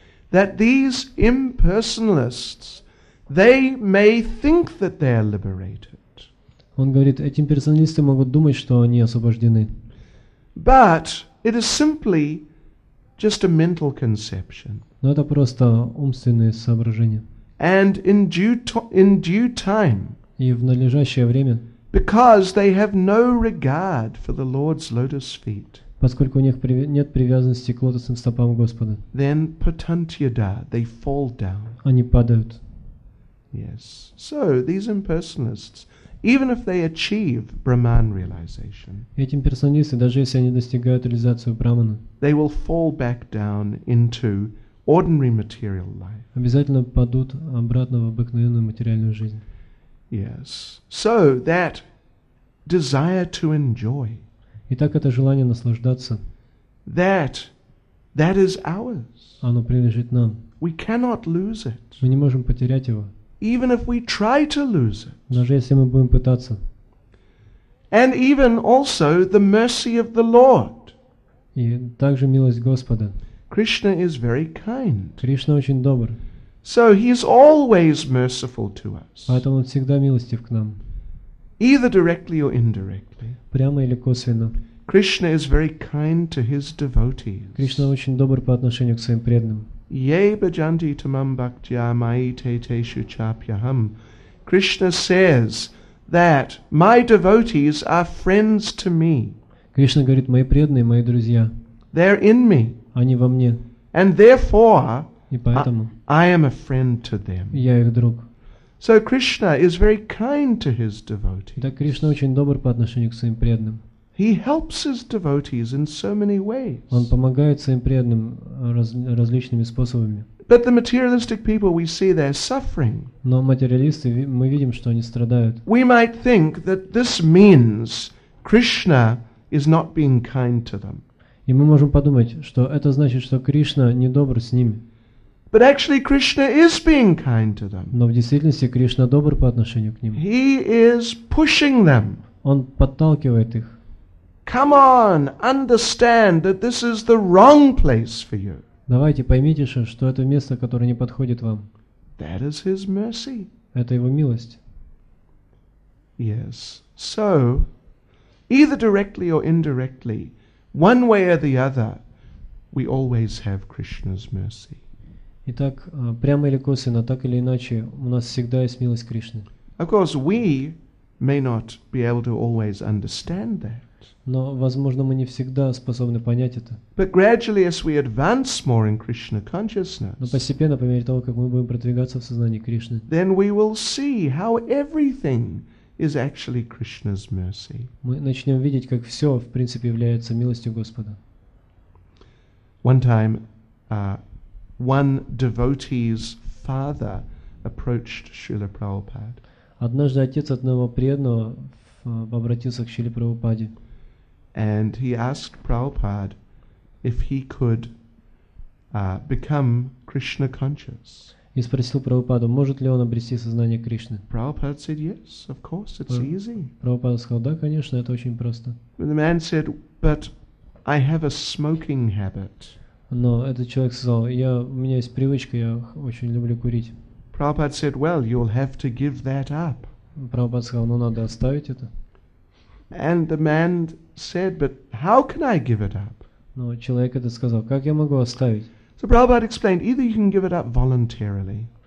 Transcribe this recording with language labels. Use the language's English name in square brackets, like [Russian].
[English] That these impersonalists, they may think that they are liberated. [Russian] Он говорит, эти имперсоналисты могут думать, что они освобождены. [English] But it is simply just a mental conception. [Russian] Но это просто умственные соображения. [English] And in due time, [Russian] и в надлежащее время, [English] because they have no regard for the Lord's lotus feet, [Russian] поскольку у них нет привязанности к лотосным стопам Господа, [English] then patantyada, they fall down. [Russian] Они падают. [English] Yes. So these impersonalists, even if they achieve Brahman realization, [Russian] эти имперсоналисты, даже если они достигают реализацию Брахмана, [English] they will fall back down into ordinary material life. [Russian] Обязательно падут обратно в обыкновенную материальную жизнь. [English] Yes. So that desire to enjoy. [Russian] Итак, это желание наслаждаться. [English] That is ours. [Russian] Оно принадлежит нам. [English] We cannot lose it. [Russian] Мы не можем потерять его. [English] Even if we try to lose it. [Russian] Даже если мы будем пытаться. [English] And even also the mercy of the Lord. [Russian] И также милость Господа. [English] Krishna is very kind. [Russian] Кришна очень добр. [English] So he is always merciful to us. [Russian] Поэтому он всегда милостив к нам. [English] Either directly or indirectly. [Russian] Прямо или косвенно. [English] Krishna is very kind to his devotees. [Russian] Кришна очень добр по отношению к своим преданным. [Sanskrit] Ye bhajanti tamam bhaktya mai te teshu chapyaham. [English] Krishna says that my devotees are friends to me. [Russian] Кришна говорит, мои преданные, мои друзья. [English] They're in me. [Russian] Они во мне. [English] And therefore, [Russian] и поэтому [English] I am a friend to them. [Russian] Я их друг. [English] So Krishna is very kind to his devotees. [Russian] Так Кришна очень добр по отношению к своим преданным. [English] He helps his devotees in so many ways. [Russian] Он помогает своим преданным различными способами. [English] But the materialistic people, we see they're suffering. [Russian] Но материалисты, мы видим, что они страдают. [English] We might think that this means Krishna is not being kind to them. [Russian] И мы можем подумать, что это значит, что Кришна не добр с ними. [English] But actually Krishna is being kind to them. [Russian] Но в действительности Кришна добр по отношению к ним. [English] He is pushing them. [Russian] Он подталкивает их. [English] Come on, understand that this is the wrong place for you. [Russian] Давайте поймите, что это место, которое не подходит вам. [English] That is his mercy. [Russian] Это его милость. [English] Yes. So, either directly or indirectly, one way or the other, we always have Krishna's mercy. [Russian] Итак, прямо или косвенно, так или иначе, у нас всегда есть милость Кришны. [English] Of course, we may not be able to always understand that. [Russian] Но, возможно, мы не всегда способны понять это. [English] But gradually, as we advance more in Krishna consciousness, [Russian] но постепенно, по мере того, как мы будем продвигаться в сознании Кришны, [English] then we will see how everything is actually Krishna's mercy. [Russian] Мы начнем видеть, как все, в принципе, является милостью Господа. [English] One time, one devotee's father approached Srila Prabhupada. [Russian] Однажды отец одного преданного обратился к Шриле Прабхупаде. [English] And he asked Prabhupada if he could become Krishna conscious. [Russian] И спросил Прабхупаду, может ли он обрести сознание Кришны. [English] Prabhupada said, yes, of course, it's easy. [Russian] Прабхупада сказал, да, конечно, это очень просто. [English] And the man said, but I have a smoking habit. [Russian] Но этот человек сказал, у меня есть привычка, я очень люблю курить. [English] Prabhupada said, well, you'll have to give that up. [Russian] Прабхупада сказал, надо оставить это. [English] And the man said, but how can I give it up? [Russian] Но человек это сказал, как я могу оставить? [English] So Prabhupada explained, either you can give it up voluntarily.